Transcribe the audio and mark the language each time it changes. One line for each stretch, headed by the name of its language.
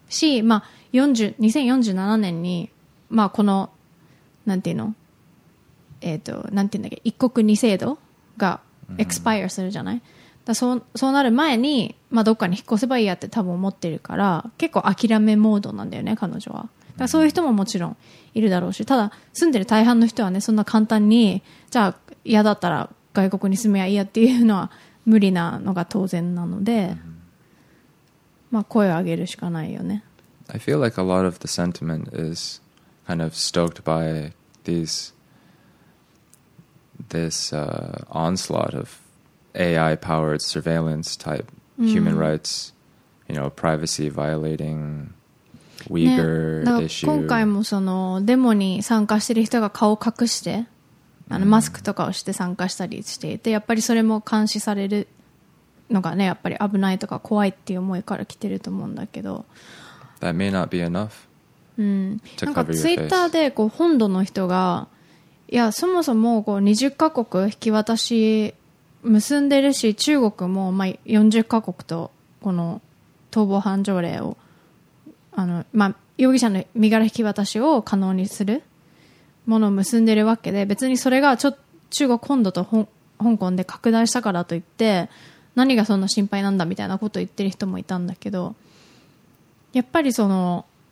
Japanese: し、まあ、2047年に、まあ、この、なんていうの、なんていうんだっけ、一国二制度がエクスパイアするじゃない、うん、だそうなる前に、まあ、どっかに引っ越せばいいやって多分思ってるから、結構諦めモードなんだよね彼女は。だそういう人ももちろんいるだろうし、ただ住んでる大半の人はね、そんな簡単にじゃあ嫌だったら外国に住めばいいやっていうのは無理なのが当然なので、まあ、声を上げるしかないよね。
English: I feel like a lot of the sentiment is kind of stoked by this onslaught of AI-powered surveillance type human rights, you know, privacy violating Uyghur、ね、 issue.
Japanese: 今回もそのデモに参加してる人が顔を隠して、あの、マスクとかをして参加したりしていて、やっぱりそれも監視されるのがね、やっぱり危ないとか怖いっていう思いから来てると思うんだけど。
English: That may not be enough.
Japanese: うん、なんかツイッターでこう本土の人が、いやそもそもこう20カ国引き渡し結んでるし、中国もまあ40カ国とこの逃亡犯条例を、あの、まあ、容疑者の身柄引き渡しを可能にするものを結んでるわけで、別にそれがちょ中国本土と香港で拡大したからといって何がそんな心配なんだみたいなことを言ってる人もいたんだけど、やっぱりその